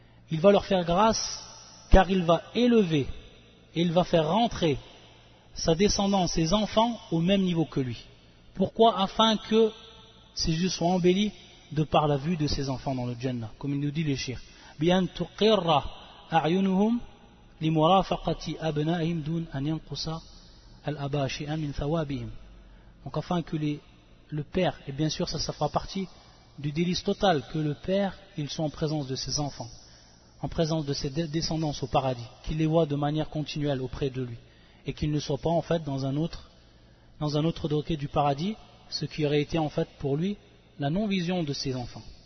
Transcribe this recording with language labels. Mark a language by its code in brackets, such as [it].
[fr] Il va leur faire grâce car il va élever et il va faire rentrer sa descendance, ses enfants au même niveau que lui. Pourquoi? Afin que ses yeux soient embellis de par la vue de ses enfants dans le Jannah, comme il nous dit le shir. [ar] Bien tuqirra a'yunuhum لِمُرَافَقَةِ أَبْنَائِهِمْ دُونَ أَنْ يَنْقُصَ الْأَبَا شَيْئًا مِنْ ثَوَابِهِمْ. [fr] Donc afin que le père, et bien sûr ça fera partie du délice total, que le père, ils soient en présence de ses enfants, en présence de ses descendants au paradis, qu'il les voit de manière continuelle auprès de lui, et qu'il ne soit pas en fait dans un autre degré du paradis, ce qui aurait été en fait pour lui la non-vision de ses enfants.